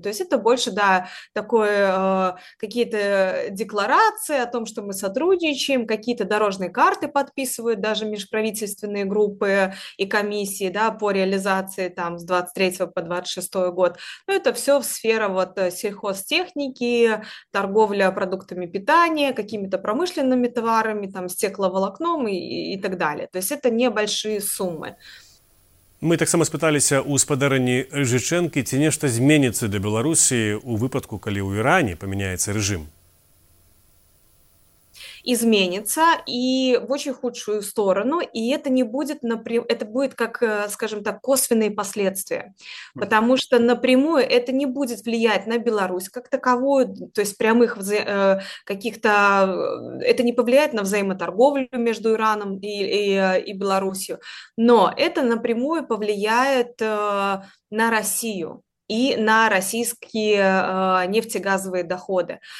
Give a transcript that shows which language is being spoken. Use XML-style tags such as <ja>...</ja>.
<ru>То есть это больше, да, такое какие-то декларации о том, что мы сотрудничаем, какие-то дорожные карты подписывают даже межправительственные группы и комиссии, да, по реализации там с 23 по 26 год. Но это все в сфера вот сельхозтехники, торговля продуктами питания, какими-то промышленными товарами, там стекловолокном и так далее. То есть это небольшие суммы.</ru> <uk>Ми так само спиталися у спадарині Жиченки, чи нешто зміниться для Білорусі у випадку, коли у Ірані поміняється режим?</uk> <ru>Изменится и в очень худшую сторону, и это не будет напрям... это будет как, скажем так, косвенные последствия, потому что напрямую это не будет влиять на Беларусь как таковую, то есть прямых каких-то, это не повлияет на взаимоторговлю между Ираном и Беларусью, но это напрямую повлияет на Россию и на российские нефтегазовые доходы.</ru>